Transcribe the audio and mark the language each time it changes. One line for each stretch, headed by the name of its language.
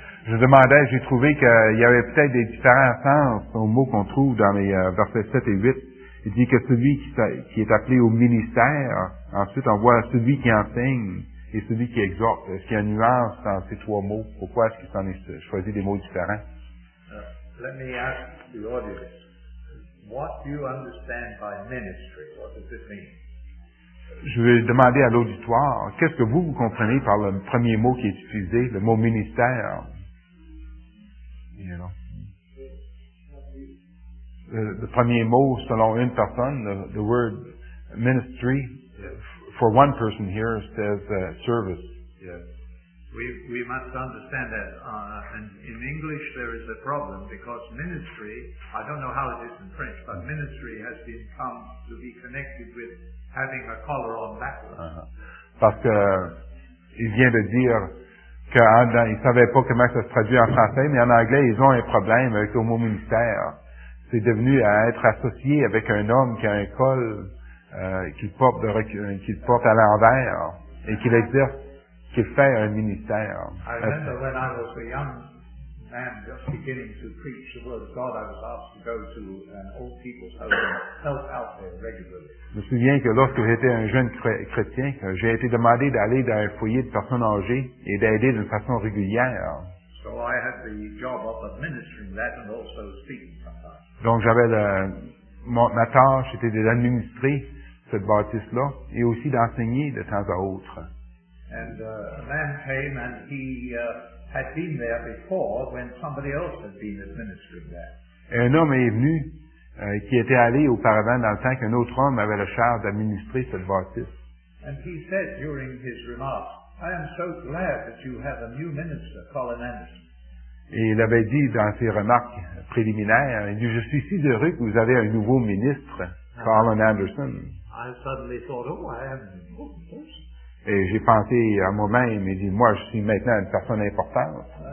French: Je demandais, j'ai trouvé qu'il y avait peut-être des différents sens aux mots qu'on trouve dans les versets 7 et 8. Il dit que celui qui est appelé au ministère, ensuite on voit celui qui enseigne et celui qui exhorte. Est-ce qu'il y a une nuance dans ces trois mots? Pourquoi est-ce qu'il s'en est choisi des mots différents?
English: Let me ask the audience, what do you understand by ministry? What does it mean?
French: Je vais demander à l'auditoire, qu'est-ce que vous comprenez par le premier mot qui est utilisé, le mot ministère? The premier mot, selon une personne,
English: the word ministry, yes. For one person here, says service. Yes. We must understand that. And in English, there is a problem, because ministry, I don't know how it is in French, but ministry has become to be connected with having a collar on backwards.
French: Parce que il vient de dire qu'ils ne savaient pas comment ça se traduit en français, mais en anglais, ils ont un problème avec le mot ministère. C'est devenu à être associé avec un homme qui a un col qu'il porte à l'envers et qu'il exerce, qu'il fait un ministère.
English: I remember when I was a young man just beginning to preach the word of God, I was asked to go to an old people's home and help out there regularly.
French: Je me souviens que lorsque j'étais un jeune chrétien, j'ai été demandé d'aller dans un foyer de personnes âgées et d'aider d'une façon régulière.
English: So I had the job of administering that and also speaking sometimes.
French: Donc j'avais ma tâche était d'administrer cette bâtisse-là et aussi d'enseigner de temps à autre.
English: And a man came and he had been there before when somebody else had been administering there.
French: Un homme est venu qui était allé auparavant dans le temps qu'un autre homme avait la charge d'administrer cette bâtisse.
English: And he said during his remarks, I am so glad that you have a new minister, Colin Anderson.
French: Et il avait dit dans ses remarques préliminaires, il dit, je suis si heureux que vous avez un nouveau ministre, Colin Anderson.
English: I suddenly thought, oh, I am an important person.
French: Et j'ai pensé à moi-même et dit, moi, je suis maintenant une personne importante.